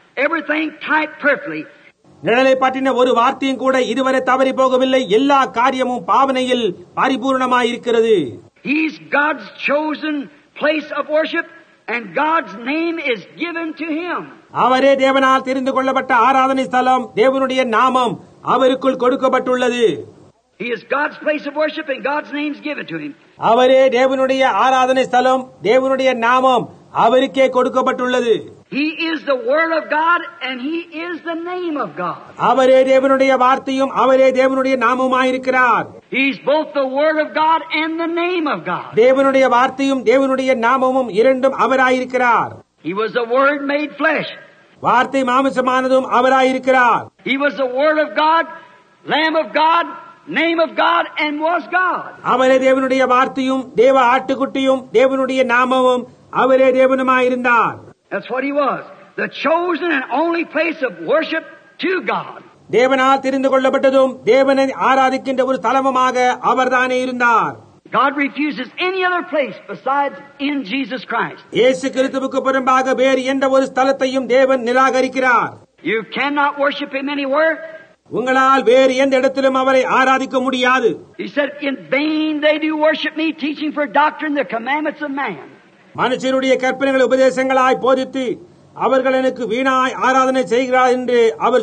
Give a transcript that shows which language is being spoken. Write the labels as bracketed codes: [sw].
[en] Everything tied perfectly. [ta] நிழலை பற்றின ஒரு வார்த்தையும் கூட இதுவரை தவறி போகவில்லை. எல்லா காரியமும் பாவனையில் பரிபூர்ணமாயிருக்கிறது. [en] He's God's chosen place of worship and God's name is given to him. [ta] அவரே தேவனால் தெரிந்து கொள்ளப்பட்ட ஆராதனை ஸ்தலம். தேவனுடைய நாமம் அவருக்குள் கொடுக்கப்பட்டுள்ளது. [en] He is God's place of worship and God's name is given to him. [ta] அவரே தேவனுடைய ஆராதனை ஸ்தலம். தேவனுடைய நாமம் அவருக்கே கொடுக்கப்பட்டுள்ளது. [en] He is the word of God and he is the name of God. [ta] அவரே தேவனுடைய வார்த்தையும் அவரே தேவனுடைய நாமமாயிருக்கிறார். [en] He is both the word of God and the name of God. [ta] தேவனுடைய வார்த்தையும் தேவனுடைய நாமமும் இரண்டும் அவராயிருக்கிறார். [en] He was the word made flesh. [ta] வார்த்தை மாம்சமானதும் அவராயிருக்கிறார். [en] He was the word of God, lamb of God, name of God and was God. [ta] அவரே தேவனுடைய வார்த்தையும் தேவ ஆட்டுக்குட்டியும் தேவனுடைய நாமமும் அவரே தேவனுமாயிருந்தார். [en] That's what he was. The chosen and only place of worship to God. [ta] தேவனால் தெரிந்து கொள்ளப்பட்டதும் தேவனை ஆராதிக்கின்ற ஒரு தலமமாக அவர்தானே இருந்தார். [en] God refuses any other place besides in Jesus Christ. [ta] இயேசு கிறிஸ்துவுக்கு புறம்பாக வேறு எந்த ஒரு ஸ்தலத்தையும் தேவன் நிராகரிக்கிறார். [en] You cannot worship him anywhere. [ta] உங்களால் வேறு எந்த இடத்திலும் அவரை ஆராதிக்க முடியாது. [en] He said, "In vain they do worship me, teaching for doctrine the commandments of man." [ta] மனுஷருடைய கற்பனைகள் உபதேசங்களாய் போதித்து அவர்கள் எனக்கு வீணாய் ஆராதனை செய்கிறார் என்று அவர்